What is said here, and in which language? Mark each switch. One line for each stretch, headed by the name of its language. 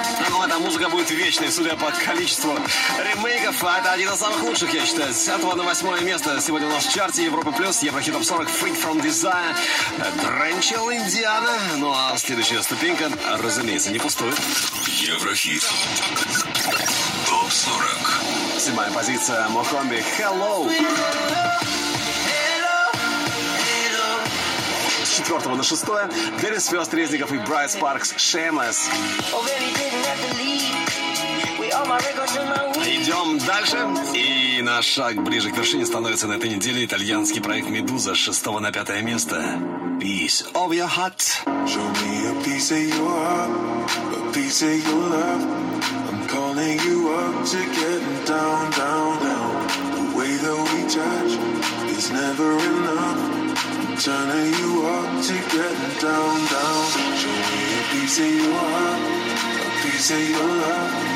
Russian: Ну, эта музыка будет вечной, судя по количеству ремейков. Это один из самых лучших, я считаю. С 10 на 8 место сегодня у нас в чарте Европы Плюс. Еврохит Топ 40, Freak From Desire, Drenchel Indiana. Ну, а следующая ступенька, разумеется, не пустует. Еврохит Топ 40. 7 позиция, Мохомби, Hello. 4 на 6. Денис Фёст, Резников и Брайт Спаркс, Shameless. Идем дальше. И на шаг ближе к вершине становится на этой неделе итальянский проект «Медуза» с 6 на 5 место.
English: Peace of your heart. Show me a piece of your heart, a piece of your love. I'm calling you up to get down, down, down. The way that we touch is never enough. Turning you up to get down, down. Show me a piece of your heart, a piece of your love.